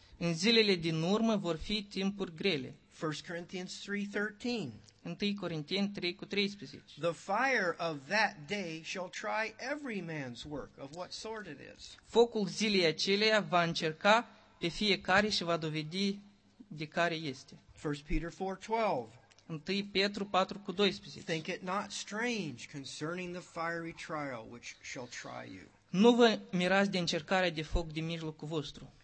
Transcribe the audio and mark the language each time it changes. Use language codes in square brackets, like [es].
[ro] În zilele din urmă vor fi timpuri grele. [en] 1 Corinthians 3:13. [ro] 1 Corinteni 3:13. [en] The fire of that day shall try every man's work of what sort it is. [ro] Focul zilei aceleia va încerca pe fiecare și va dovedi de care este. [en] 1 Peter 4:12. [ro] 1 Petru 4:12. [en] Think it not strange concerning the fiery trial which shall try you. [ro] Nu vă mirați de încercarea de foc din mijlocul vostru.